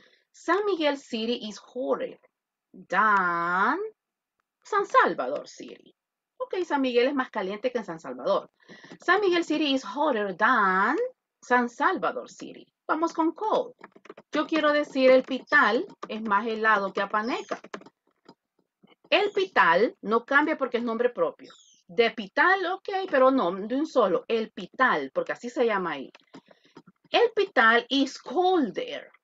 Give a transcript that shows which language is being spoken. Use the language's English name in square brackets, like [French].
[English] San Miguel City is hotter than San Salvador City. [Spanish] Ok, San Miguel es más caliente que San Salvador. [English] San Miguel City is hotter than San Salvador City. [Spanish] Vamos con cold. Yo quiero decir el Pital es más helado que Apaneca. El Pital no cambia porque es nombre propio. De Pital, ok, pero no, de un solo. El Pital, porque así se llama ahí. [English] El Pital is colder.